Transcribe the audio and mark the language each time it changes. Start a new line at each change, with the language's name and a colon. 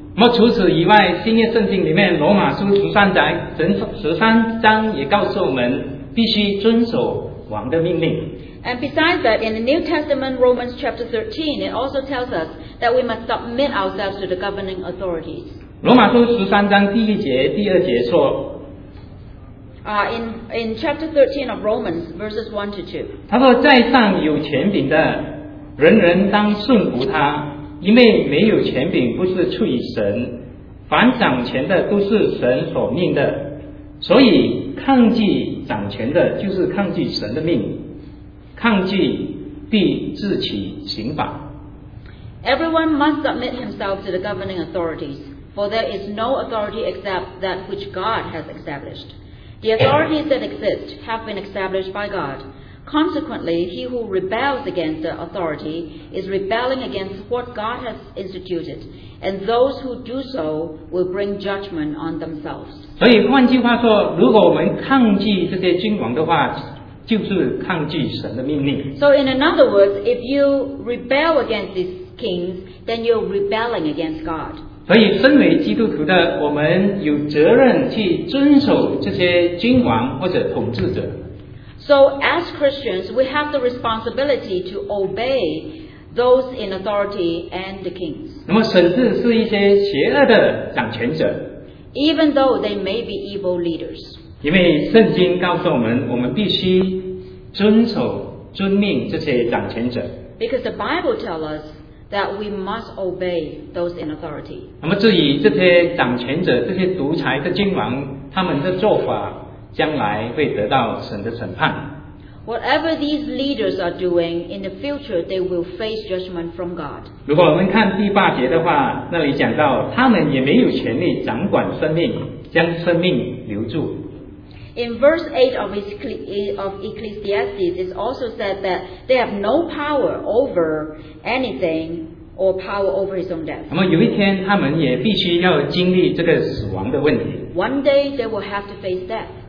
Chinese: 那除此以外，新约圣经里面罗马书13章也告诉我们必须遵守王的命令。
English: And besides that, in the New Testament, Romans chapter 13, it also tells us that we must submit ourselves to the governing authorities.
Chinese: 罗马书十三章第一节第二节说
English: In chapter 13 of Romans verses 1 to 2
Chinese: 他说在上有权柄的人人当顺服他，因为没有权柄不是出于神，凡掌权的都是神所命的，所以抗拒掌权的就是抗拒神的命，抗拒必自取刑罚。
English: Everyone must submit himself to the governing authoritiesFor there is no authority except that which God has established. The authorities that exist have been established by God. Consequently, he who rebels against the authority is rebelling against what God has instituted, and those who do so will bring judgment on themselves.
Chinese: 所以换句话说，如果我们抗拒这些君王的话，就是抗拒神的命令。
English: So in other words, if you rebel against these kings, then you're rebelling against God.
Chinese: 所以身为基督徒的我们有责任去遵守这些君王或者统治者。
English: So as Christians, we have the responsibility to obey those in authority and the kings.
Chinese: 那么甚至是一些邪恶的掌权者。
English: Even though they may be evil leaders.
Chinese: 因为圣经告诉我们，我们必须遵守、遵命这些掌权者。
English: Because the Bible tells us that we must obey those in authority.
Chinese: 那么至于这些掌权者、这些独裁的君王，他们的做法将来会得到神的审判。
English: Whatever these leaders are doing, in the future they will face judgment from God.
Chinese: 如果我们看第八节的话，那里讲到他们也没有权利掌管生命，将生命留住。
English: In verse 8 of Ecclesiastes, it's also said that they have no power over anything or power over his own death.
Chinese: 那么有一天他们也必须要经历这个死亡的问题。
English: One day they will have to face death.